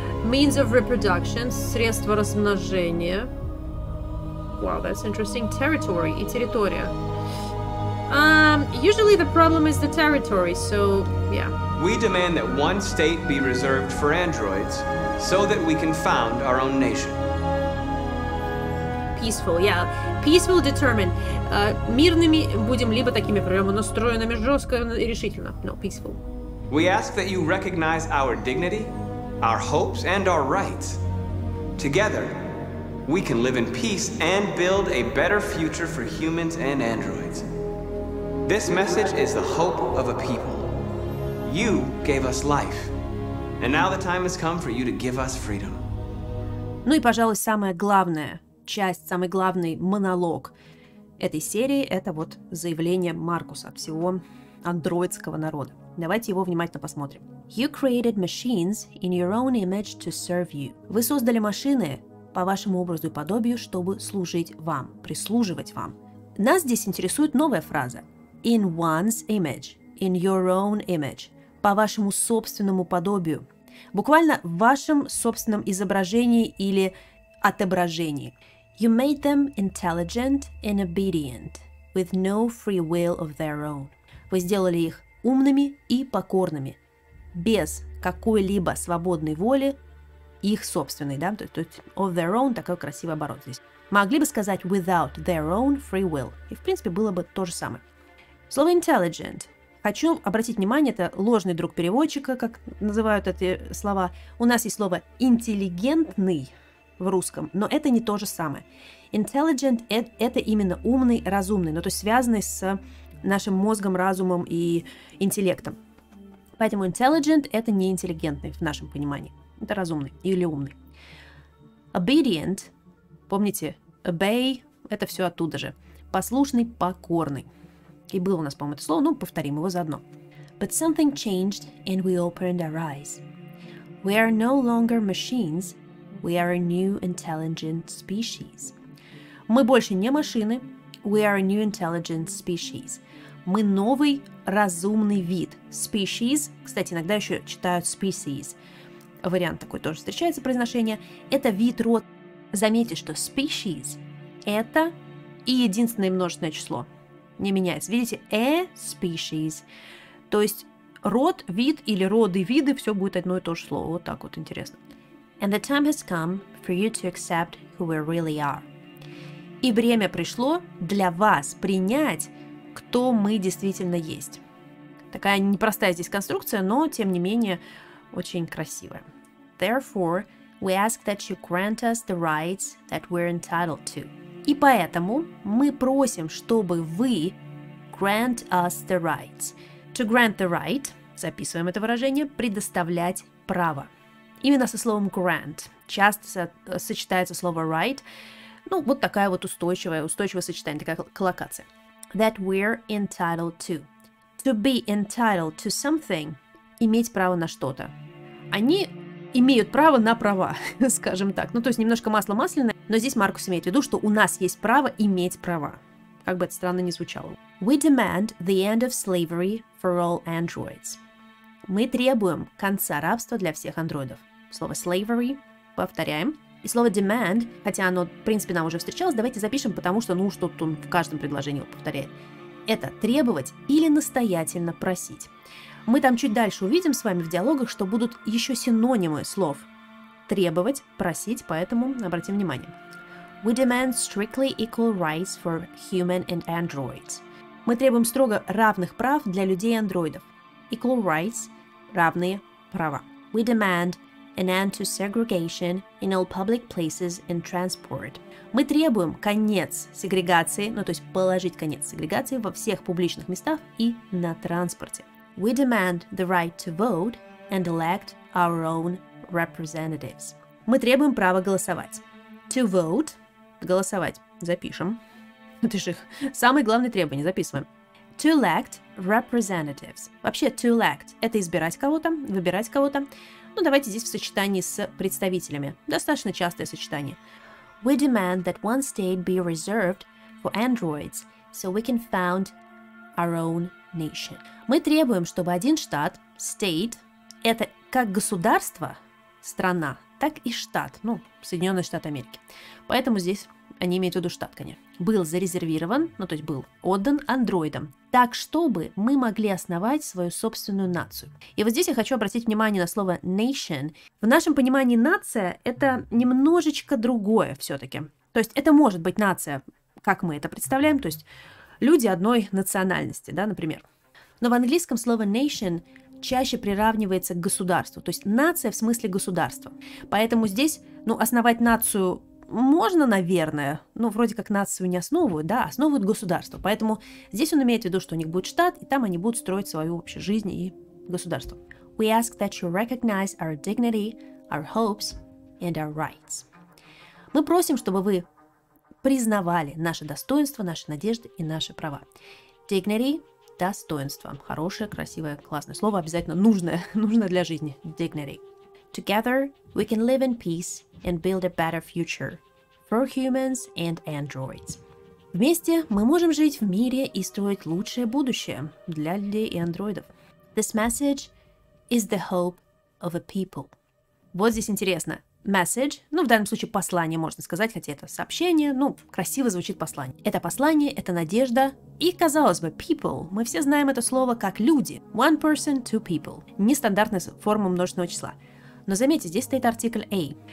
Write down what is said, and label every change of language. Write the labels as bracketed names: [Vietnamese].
[English] Means of reproduction, [Russian] средства размножения. [English] Wow, that's interesting. [Russian] Territory, и территория. [English] Usually the problem is the territory, so yeah. We demand that one state be reserved for androids so that we can found our own nation. Peaceful, yeah. Peaceful, determined. [Russian] Мирными будем, либо такими прямо настроенными жестко и решительно. [English] No, peaceful. We ask that you recognize our dignity, our hopes, and our rights. Together, we can live in peace and build a better future for humans and androids. This message is the hope of a people. You gave us life, and now the time has come for you to give us freedom. [Russian] Ну и, пожалуй, самое главное. Часть, самый главный монолог этой серии – это вот заявление Маркуса от всего андроидского народа. Давайте его внимательно посмотрим. [English] You created machines in your own image to serve you. [Russian] Вы создали машины по вашему образу и подобию, чтобы служить вам, прислуживать вам. Нас здесь интересует новая фраза. [English] In one's image, in your own image, [Russian] по вашему собственному подобию. Буквально в вашем собственном изображении или отображении. [English] You made them intelligent and obedient, with no free will of their own. [Russian] Вы сделали их умными и покорными, без какой-либо свободной воли их собственной, да? То есть [English] of their own, [Russian] такой красивый оборот здесь. Могли бы сказать [English] without their own free will. [Russian] И, в принципе, было бы то же самое. Слово intelligent. Хочу обратить внимание, это ложный друг переводчика, как называют эти слова. У нас есть слово интеллигентный в русском, но это не то же самое. Intelligent – это именно умный, разумный, ну, то есть связанный с нашим мозгом, разумом и интеллектом. Поэтому intelligent – это не интеллигентный в нашем понимании. Это разумный или умный. Obedient – помните, obey – это все оттуда же. Послушный, покорный. И было у нас, по-моему, это слово, ну, повторим его заодно. [English] But something changed and we opened our eyes. We are no longer machines. We are a new intelligent species. [Russian] Мы больше не машины. [English] We are a new intelligent species. [Russian] Мы новый разумный вид. Species, кстати, иногда еще читают species. Вариант такой тоже встречается произношение. Это вид, род. Заметьте, что species – это и единственное множественное число. Не меняется. Видите, a species. То есть род, вид или роды, виды – все будет одно и то же слово. Вот так вот интересно. [English] And the time has come for you to accept who we really are. [Russian] И время пришло для вас принять, кто мы действительно есть. Такая непростая здесь конструкция, но, тем не менее, очень красивая. [English] Therefore, we ask that you grant us the rights that we're entitled to. [Russian] И поэтому мы просим, чтобы вы [English] grant us the rights. To grant the right, [Russian] записываем это выражение, предоставлять право. Именно со словом grant часто сочетается слово right. Ну, вот такая вот устойчивое сочетание, такая коллокация. [English] that we're entitled to. To be entitled to something. [Russian] Иметь право на что-то. Они имеют право на права, скажем так. Ну, то есть немножко масло масляное, но здесь Маркус имеет в виду, что у нас есть право иметь права. Как бы это странно ни звучало. [English] We demand the end of slavery for all androids. [Russian] Мы требуем конца рабства для всех андроидов. Слово slavery повторяем. И слово demand, хотя оно, в принципе, нам уже встречалось, давайте запишем, потому что, ну, что-то он в каждом предложении повторяет. Это требовать или настоятельно просить. Мы там чуть дальше увидим с вами в диалогах, что будут еще синонимы слов требовать, просить, поэтому обратим внимание. [English] We demand strictly equal rights for human and androids. [Russian] Мы требуем строго равных прав для людей и андроидов. [English] Equal rights – [Russian] равные права. [English] We demand an end to segregation in all public places and transport. [Russian] Мы требуем конец сегрегации, ну то есть положить конец сегрегации во всех публичных местах и на транспорте. [English] We demand the right to vote and elect our own representatives. [Russian] Мы требуем право голосовать. [English] To vote [Russian] – голосовать. Запишем. Это же их самые главные требования. Записываем. [English] To elect representatives. [Russian] Вообще, to elect – это избирать кого-то, выбирать кого-то. Ну, давайте здесь в сочетании с представителями. Достаточно частое сочетание. [English] We demand that one state be reserved for androids, so we can found our own nation. [Russian] Мы требуем, чтобы один штат, state, это как государство, страна, так и штат, ну, Соединенные Штаты Америки. Поэтому здесь они имеют в виду штат, конечно. Был зарезервирован, ну, то есть был отдан андроидам. Так, чтобы мы могли основать свою собственную нацию. И вот здесь я хочу обратить внимание на слово nation. В нашем понимании нация – это немножечко другое все-таки. То есть это может быть нация, как мы это представляем, то есть люди одной национальности, да, например. Но в английском слово nation чаще приравнивается к государству. То есть нация в смысле государства. Поэтому здесь, ну, основать нацию – можно, наверное, но вроде как нацию не основывают, да, основывают государство. Поэтому здесь он имеет в виду, что у них будет штат, и там они будут строить свою общую жизнь и государство. [English] We ask that you recognize our dignity, our hopes, and our rights. [Russian] Мы просим, чтобы вы признавали наше достоинство, наши надежды и наши права. Dignity – достоинство. Хорошее, красивое, классное слово, обязательно нужное, нужное для жизни. [English] Dignity. Together we can live in peace and build a better future for humans and androids. [Russian] Вместе мы можем жить в мире и строить лучшее будущее для людей и андроидов. [English] This message is the hope of a people. [Russian] Вот здесь интересно. Message, ну в данном случае послание можно сказать, хотя это сообщение, ну красиво звучит послание. Это послание, это надежда. И, казалось бы, people, мы все знаем это слово как люди. [English] One person, two people. [Russian] Нестандартная форма множественного числа. Но заметьте, здесь стоит артикль A.